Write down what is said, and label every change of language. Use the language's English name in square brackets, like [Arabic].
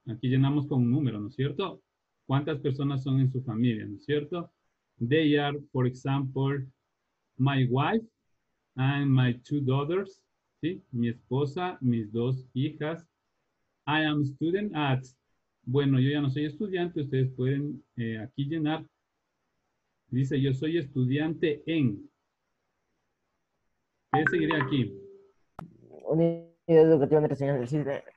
[Spanish] Aquí llenamos con un número, ¿no es cierto? ¿Cuántas personas son en su familia, no es cierto? [English] They are, for example, my wife and my 2 daughters. [Spanish] ¿Sí? Mi esposa, mis 2 hijas. [English] I am student at... [Spanish] Bueno, yo ya no soy estudiante, ustedes pueden aquí llenar. Dice, yo soy estudiante en. ¿Qué seguiría aquí? Unidad educativa de la señora del CIDE.